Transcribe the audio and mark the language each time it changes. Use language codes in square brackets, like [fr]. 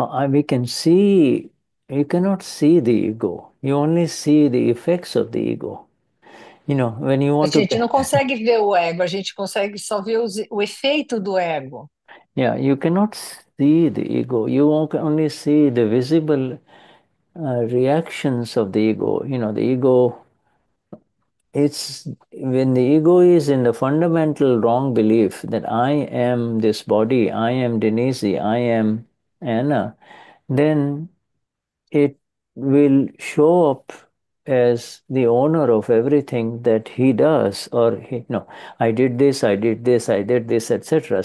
[en] we can see, you cannot see the ego. You only see the effects of the ego. You know, when you [pt] A [en] want to [pt] gente não consegue ver o ego, a gente consegue só ver o efeito do ego. [en] Yeah, you cannot see the ego. You only see the visible reactions of the ego. The ego, it's when the ego is in the fundamental wrong belief that I am this body, I am Denise, I am Anna, then it will show up as the owner of everything that he does, or he, no, I did this, I did this, I did this, etc.